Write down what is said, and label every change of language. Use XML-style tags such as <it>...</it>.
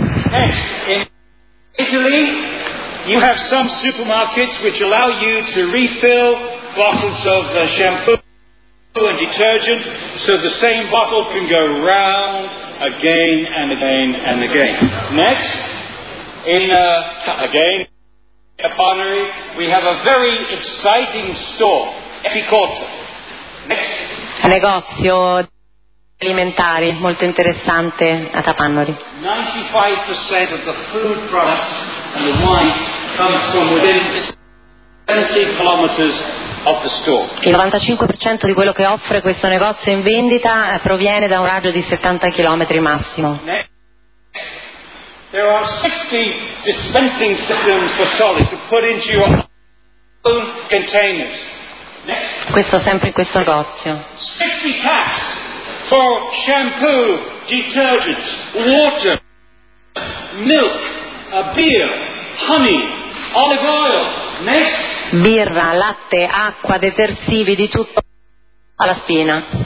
<en>Next, in Italy, you have some supermarkets which allow you to refill bottles of shampoo and detergent, so the same bottle can go round again and again and again. Next, in again, Capannori, we have a very exciting store, Epicorta. Next,</en> <it>negozio alimentari molto interessante a Capannori.</it> <en>95% of the food products and the wine comes from within 70 kilometers of the store.</en> <it>Il 95% di quello che offre questo negozio in vendita proviene da un raggio di 70 km massimo.</it> <en>There are 60 dispensing systems for solids to put into your own containers.</en> <it>Questo sempre in questo negozio.</it> <en>60 packs for shampoo, detergent, water, milk, beer, honey, olive oil. Next.</en> <it>Birra, latte, acqua, detersivi, di tutto alla spina.</it>